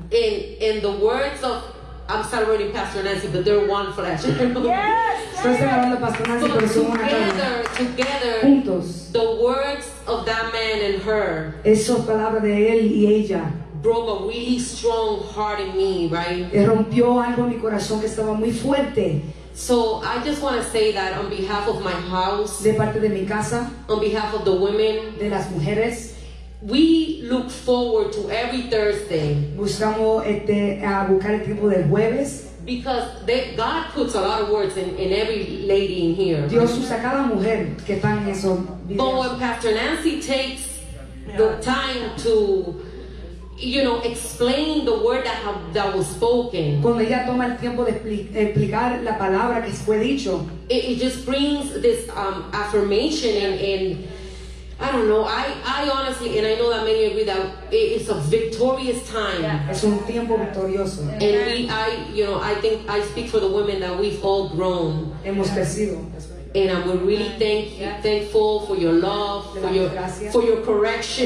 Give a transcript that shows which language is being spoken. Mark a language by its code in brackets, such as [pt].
[en] In the words of, I'm celebrating Pastor Nancy, but they're one flesh. Yes. Together, [es] juntos, [en] the words of that man and her. [es] Esas palabras de él y ella. [en] Broke a really strong heart in me, right? [es] Rompió algo en mi corazón que estaba muy fuerte. [en] So I just want to say that on behalf of my house, [es] de parte de mi casa, [en] on behalf of the women, [es] de las mujeres. [en] We look forward to every Thursday. [es] Buscamos a buscar el tiempo del jueves. [en] Because God puts a lot of words in every lady in here. [es] Dios usa cada mujer que está en esos videos. [en] But when Pastor Nancy takes the time to, you know, explain the word that was spoken. [es] Cuando ella toma el tiempo de explicar la palabra que fue dicho. [en] It just brings this affirmation and. I don't know. I honestly, and I know that many agree that it's a victorious time. [es] Es un tiempo victorioso. [en] And I think I speak for the women that we've all grown. [es] Hemos crecido. [en] And I'm really thankful for your love, for your correction.